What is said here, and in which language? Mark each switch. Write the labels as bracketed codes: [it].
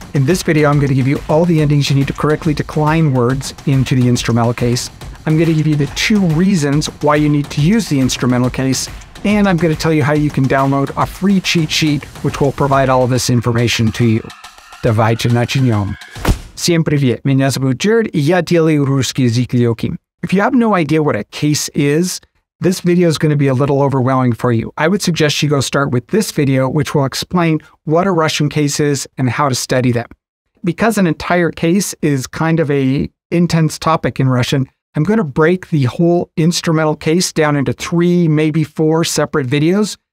[en] In this video, I'm going to give you all the endings you need to correctly decline words into the instrumental case. I'm going to give you the two reasons why you need to use the instrumental case, and I'm going to tell you how you can download a free cheat sheet which will provide all of this information to you. [ru] Давайте начнем. Всем привет, меня зовут Джеред, и я делаю русский язык легким. [en] If you have no idea what a case is, this video is going to be a little overwhelming for you. I would suggest you go start with this video, which will explain what a Russian case is and how to study them. Because an entire case is kind of an intense topic in Russian, I'm going to break the whole instrumental case down into three, maybe four separate videos.